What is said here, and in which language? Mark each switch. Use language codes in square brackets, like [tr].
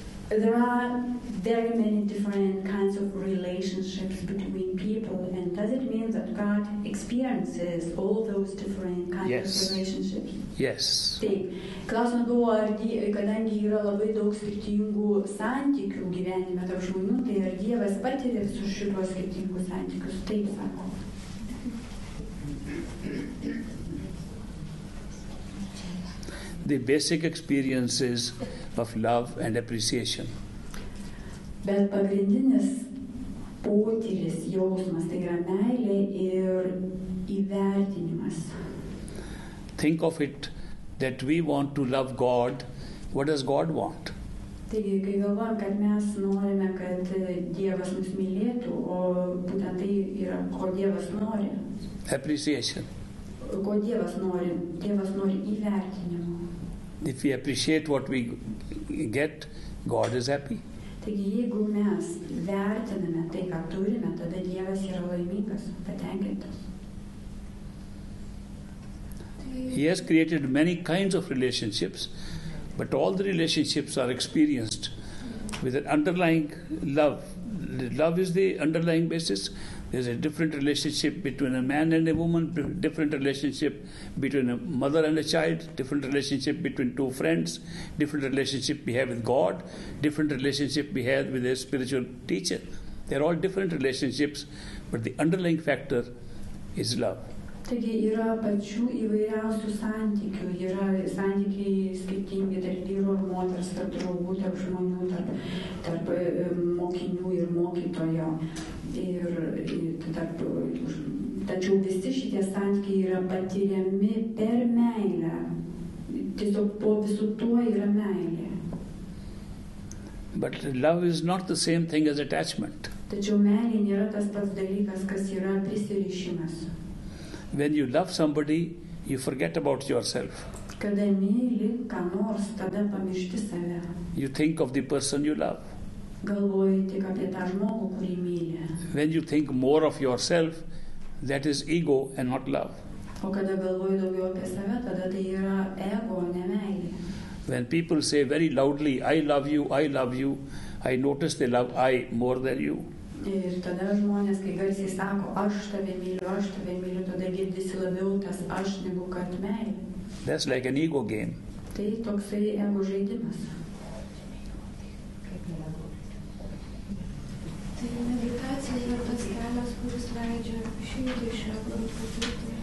[en] There are very many different kinds of relationships between people, and does it mean that God experiences all those different kinds yes. of relationships? Yes. [lt] Taip. Klausimą buvo, ar kadangi yra labai daug skirtingų santykių gyvenime tarp žmonių, tai ar Dievas patiria su šiuo skirtingų santykių? Taip sako. [en] The basic experiences of love and appreciation. [lt] Bet pagrindinis potyris, jausmas, tai yra meilė ir įvertinimas. [en] Think of it that we want to love God. What does God want? [lt] Taigi, kai galvojam, kad mes norime, kad Dievas mus mylėtų, o būtent tai yra, ko Dievas nori. [en] Appreciation. [lt] Ko Dievas nori? Dievas nori įvertinimo. [en] If we appreciate what we get, God is happy. [lt] Taigi, jeigu mes vertiname tai, ką turime, tada Dievas yra laimingas, patenkintas. [en] He has created many kinds of relationships, but all the relationships are experienced with an underlying love. Love is the underlying basis. There's a different relationship between a man and a woman, different relationship between a mother and a child, different relationship between two friends, different relationship we have with God, different relationship we have with a spiritual teacher. They're all different relationships, but the underlying factor is love. [lt] Taigi yra pačių įvairiausių santykių, yra santykiai skirtingi tarp vyro ir moters, tarp draugų, tarp žmonių, tarp mokinių ir mokytojo. Tačiau visi šitie santykiai yra patiriami per meilę. Tiesiog po visu tuo yra meilė. [en] But love is not the same thing as attachment. [lt] Tačiau meilė nėra tas pats dalykas, kas yra prisirišimas. [en] When you love somebody, you forget about yourself. [lt] Kada myli ką nors, tada pamiršti save. [en] You think of the person you love. [lt] Galvoji tik apie tą žmogų, kurį myli. [en] When you think more of yourself, that is ego and not love. [lt] O kada galvoji daugiau apie save, tada tai yra ego, ne meilė. [en] When people say very loudly, I love you, I love you, I notice they love I more than you. [lt] Ir tada žmonės, kai garsiai sako, aš tave myliu, tada girdisi labiau tas aš negu kad meilė. [en] That's like an ego game. [lt] Tai toksai ego žaidimas. Tai meditacija yra tas kelias, kuris leidžia išėti iš